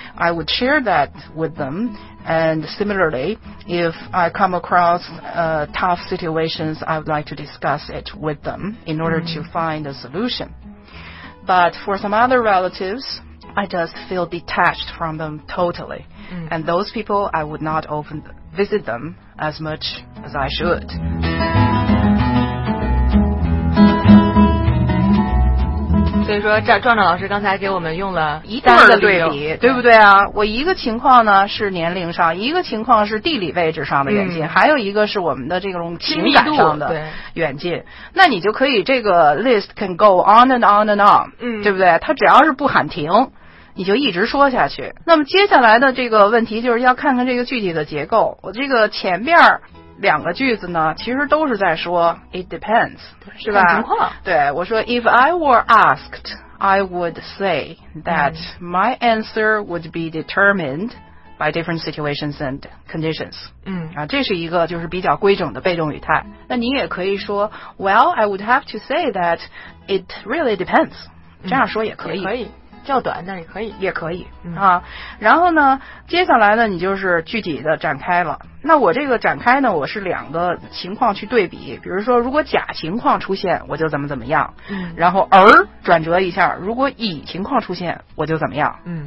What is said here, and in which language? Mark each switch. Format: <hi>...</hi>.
<en>I would share that with them. And similarly, if I come across tough situations, I would like to discuss it with them in order to find a solution. But for some other relatives, I just feel detached from them totally. And those people, I would not often visit them as much as I should.</en> <zh>说这壮壮老师刚才给我们用了一对的对比，对不对啊？我一个情况呢是年龄上，一个情况是地理位置上的远近，还有一个是我们的这种情感上的远近。那你就可以这个 list can go on and on and on， 对不对？它只要是不喊停，你就一直说下去。那么接下来的这个问题就是要看看这个具体的结构。我这个前边两个句子呢，其实都是在说 it depends，是吧？情况。</zh> <en>对，我说 if I were asked, I would say that my answer would be determined by different situations and conditions。</en> <zh>这是一个就是比较规整的被动语态。</zh> <en>那你也可以说 well, I would have to say that it really depends。</en> <zh>这样说也可以。也可以。较短，那也可以，也可以啊。然后呢，接下来呢，你就是具体的展开了。那我这个展开呢，我是两个情况去对比。比如说，如果甲情况出现，我就怎么怎么样。然后而转折一下，如果乙情况出现，我就怎么样。</zh>